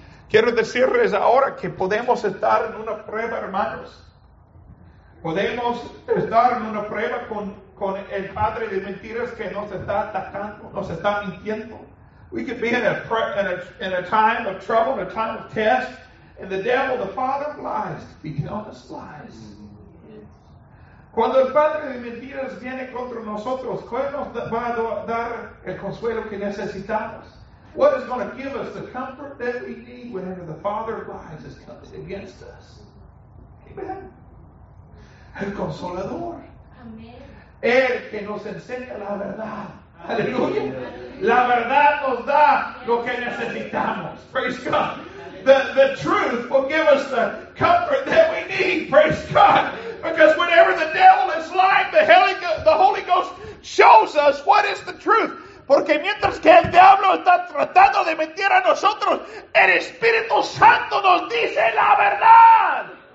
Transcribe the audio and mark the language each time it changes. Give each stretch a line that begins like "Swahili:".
Spanish: Quiero decirles ahora que podemos estar en una prueba, hermanos. Podemos estar en una prueba con el padre de mentiras que nos está atacando, nos está mintiendo.
English: We could be in a time of trouble, a time of test, and the devil, the father of lies, be telling us lies.
Spanish: Cuando el padre de mentiras viene contra nosotros, ¿cuál nos va a dar el consuelo que necesitamos?
English: What is going to give us the comfort that we need whenever the father of lies is coming against us?
Spanish: Amen. El consolador. Amen. El que nos enseña la verdad. Aleluya. La verdad nos da lo que necesitamos.
English: Praise God. The truth will give us the comfort that we need. Praise God. Because whenever the devil is lying, the Holy Ghost shows us what is the truth.
Spanish: Porque mientras que el diablo está tratando de mentir a nosotros, el Espíritu Santo nos dice la verdad.